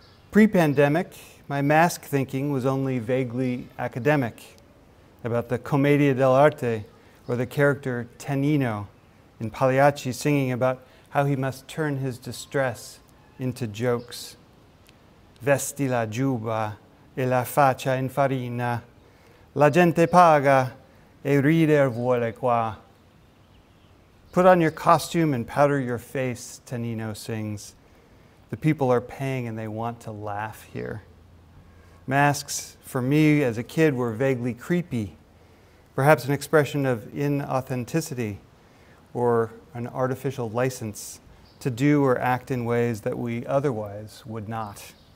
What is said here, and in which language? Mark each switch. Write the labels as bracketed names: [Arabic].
[English] Pre-pandemic, my mask thinking was only vaguely academic, about the Commedia dell'arte or the character Tanino in Pagliacci singing about how he must turn his distress into jokes. [Italian] Vesti la giubba e la faccia in farina, la gente paga e rider vuole qua. [English] Put on your costume and powder your face, Tanino sings. The people are paying and they want to laugh here. Masks, for me as a kid, were vaguely creepy, perhaps an expression of inauthenticity or an artificial license to do or act in ways that we otherwise would not.